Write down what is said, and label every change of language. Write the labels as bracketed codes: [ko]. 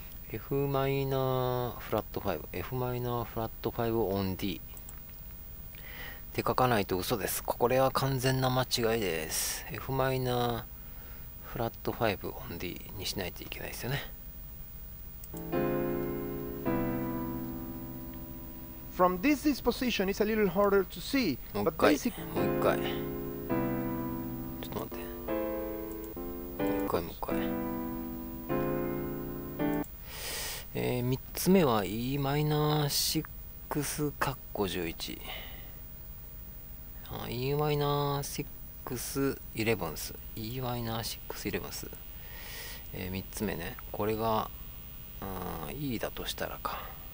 [ja] F マイナーフラット5、 F マイナーフラット5 on D って書かないと嘘です。これは完全な間違いです。F マイナーフラット5 on D にしないといけないですよね。 [en] From this disposition it's a little harder to see. [ja] もう一回、もう一回、ちょっと待って、もう一回 3つ目は Em611 3つ目ね、これが、E だとしたらか、